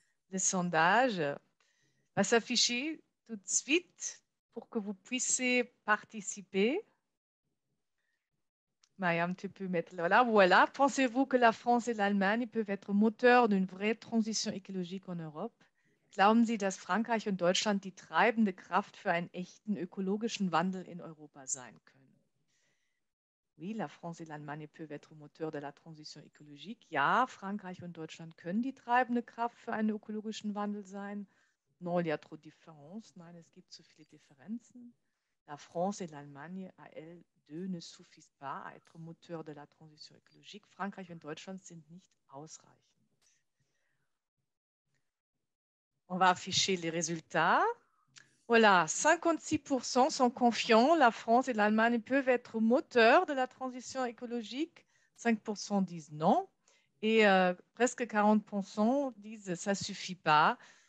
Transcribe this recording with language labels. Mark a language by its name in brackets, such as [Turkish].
[French] Le sondage va s'afficher tout de suite pour que vous puissiez participer. Mayam, tu peux mettre là. Voilà. Pensez-vous que la France et l'Allemagne peuvent être moteurs d'une vraie transition écologique en Europe? [German] Glauben Sie, dass Frankreich und Deutschland die treibende Kraft für einen echten ökologischen Wandel in Europa sein können? [French] Oui, la France et l'Allemagne peuvent être moteurs de la transition écologique. [German] Ja, Frankreich und Deutschland können die treibende Kraft für einen ökologischen Wandel sein. [French] Non, il y a trop de différences. [German] Nein, es gibt zu viele Differenzen. [French] La France et l'Allemagne, à elles deux, ne suffisent pas à être moteurs de la transition écologique. [German] Frankreich und Deutschland sind nicht ausreichend. [French] On va afficher les résultats. Voilà, 56% sont confiants. La France et l'Allemagne peuvent être moteurs de la transition écologique. 5% disent non. Et presque 40% disent ça ne suffit pas.